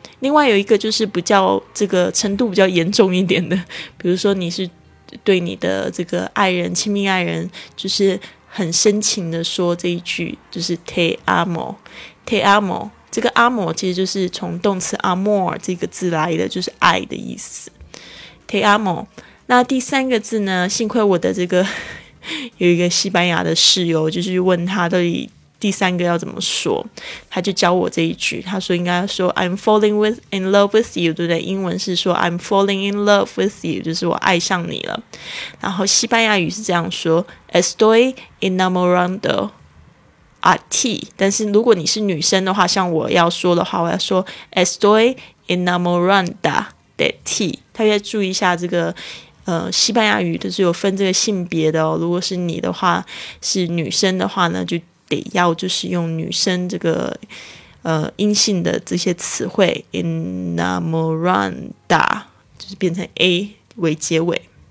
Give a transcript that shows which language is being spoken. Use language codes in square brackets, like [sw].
[zh] 另外有一个就是比较这个程度比较严重一点的，比如说你是对你的这个爱人亲密爱人就是很深情的说这一句，就是 [es] Te amo， [zh] Te amo， 这个 amo 其实就是从动词 amor 这个字来的，就是爱的意思， Te amo。那第三个字呢，幸亏我的这个有一个西班牙的室友就是问他到底第三个要怎么说，他就教我这一句，他说应该说 [en] I'm falling in love with you， [zh] 对不对？英文是说 [en] I'm falling in love with you， [zh] 就是我爱上你了。然后西班牙语是这样说 [es] Estoy enamorando a ti， [zh] 但是如果你是女生的话，像我要说的话，我要说 [es] Estoy enamorada de ti。 [zh] 大家注意一下这个西班牙语就是有分这个性别的哦，如果是你的话是女生的话呢，就得要就是用女生这个阴性的这些词汇 enamorada 就是变成 A 为结尾。